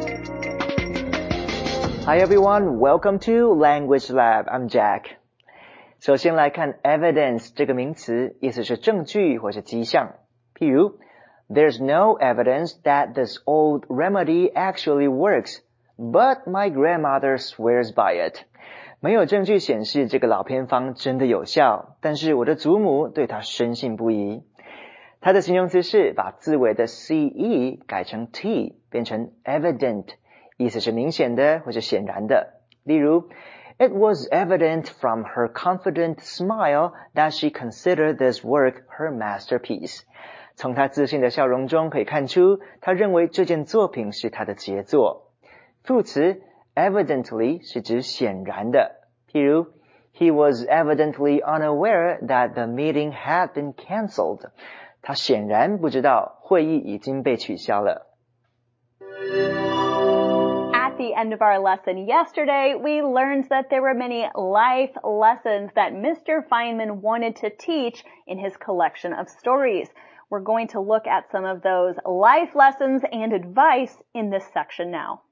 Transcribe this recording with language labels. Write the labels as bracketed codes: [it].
[en] Hi everyone, welcome to Language Lab, I'm Jack. [zh] 首先来看 evidence 这个名词，意思是证据或是迹象。譬如 [en] There's no evidence that this old remedy actually works, but my grandmother swears by it. [zh] 没有证据显示这个老偏方真的有效，但是我的祖母对它深信不疑。它的形容词是把字尾的 CE 改成 T, 变成 evident,意思是明显的或是显然的。例如 [en] It was evident from her confident smile that she considered this work her masterpiece. [zh] 从她自信的笑容中可以看出她认为这件作品是她的杰作。副词 evidently 是指显然的。譬如 [en] He was evidently unaware that the meeting had been cancelled. [zh] 她显然不知道会议已经被取消了。 [en] The end of our lesson yesterday, we learned that there were many life lessons that Mr. Feynman wanted to teach in his collection of stories. We're going to look at some of those life lessons and advice in this section now.